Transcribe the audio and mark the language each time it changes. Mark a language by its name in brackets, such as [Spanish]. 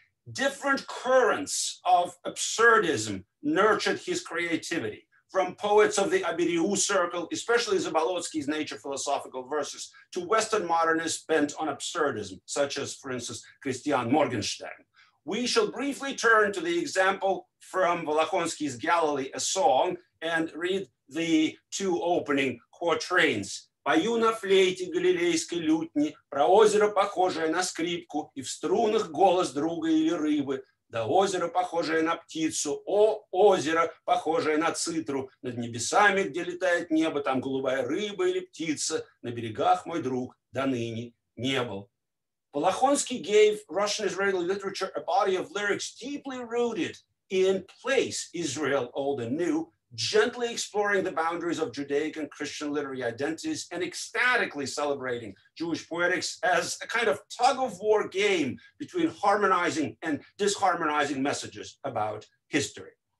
[English] Different currents of absurdism nurtured his creativity, from poets of the Abiriu circle, especially Zabalotsky's nature philosophical verses, to Western modernists bent on absurdism, such as, for instance, Christian Morgenstern. We shall briefly turn to the example from Volokhonsky's Galilee, a song, and read the two opening quatrains. [Russian] Пою на флейте галилейской лютни, про озеро, похожее на скрипку, и в струнах голос друга или рыбы. Да озеро, похожее на птицу, о озеро, похожее на цитру, над небесами, где летает небо, там голубая рыба или птица, на берегах мой друг до ныне не был. [English] Volokhonsky gave Russian-Israeli literature a body of lyrics deeply rooted in place, Israel old and new, gently exploring the boundaries of Judaic and Christian literary identities and ecstatically celebrating Jewish poetics as a kind of tug-of-war game between harmonizing and disharmonizing messages about history.